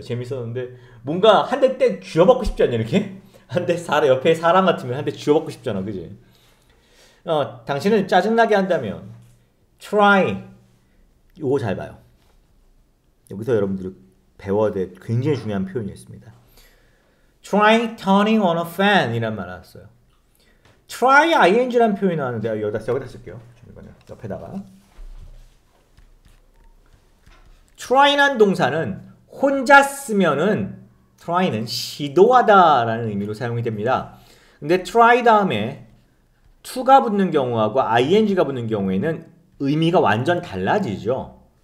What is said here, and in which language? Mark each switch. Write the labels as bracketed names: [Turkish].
[Korean] 재밌었는데 뭔가 한대때 쥐어먹고 싶지 않냐 이렇게 한대 사람 옆에 사람 같으면 한대 쥐어먹고 싶잖아 그지? 당신은 짜증나게 한다면 try 요거 잘 봐요. 여기서 여러분들이 배워야 될 굉장히 중요한 표현이었습니다. [English] Try turning on a fan [Korean] 이란 말 나왔어요. Try ing란 표현이 나왔는데 여기다 쓸게요. 이번에 옆에다가. try란 동사는 혼자 쓰면은 try는 시도하다라는 의미로 사용이 됩니다. 근데 try 다음에 to가 붙는 경우하고 ing가 붙는 경우에는 의미가 완전 달라지죠.